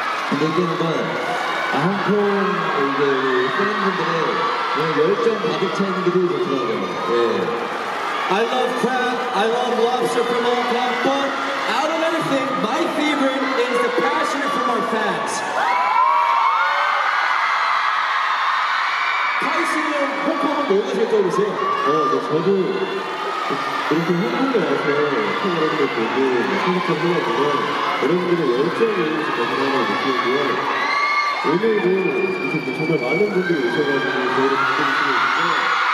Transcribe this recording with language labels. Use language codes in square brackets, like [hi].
[ko] 근데 이게 한번 아, 홍콩의 이제 우리 팬분들의 열정 가득 차 있는 게 되게 좋더라고요. 예. [en] I love crab, I love lobster from Hong Kong, but out of everything, my favorite is the passion from our fans. [ko] 카이씨는 홍콩은 뭐가 제일 떠오르세요? 네, 저도 이렇게 홍콩에 와서 홍콩 여러분들 보고 생각한 생각보다 여러분들의 열정을 너무나 느끼고요. 오늘도 이렇게 정말 많은 분들이 오셔가지고 저희를 부탁드리고 있는데